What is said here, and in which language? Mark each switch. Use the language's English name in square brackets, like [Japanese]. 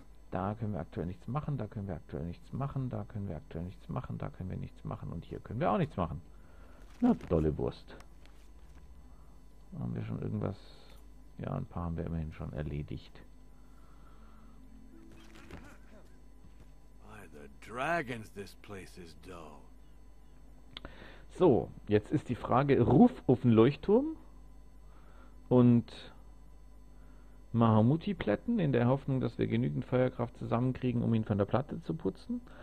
[German] Da können wir aktuell nichts machen, da können wir aktuell nichts machen, da können wir aktuell nichts machen, da können wir nichts machen und hier können wir auch nichts machen. Na, dolle Wurst. Haben wir schon irgendwas? Ja, ein paar haben wir immerhin schon erledigt. [English] Dragons, this place is dull. [German] So, jetzt ist die Frage, Ruf auf den Leuchtturm und Mahamuti plätten, in der Hoffnung, dass wir genügend Feuerkraft zusammenkriegen, um ihn von der Platte zu putzen.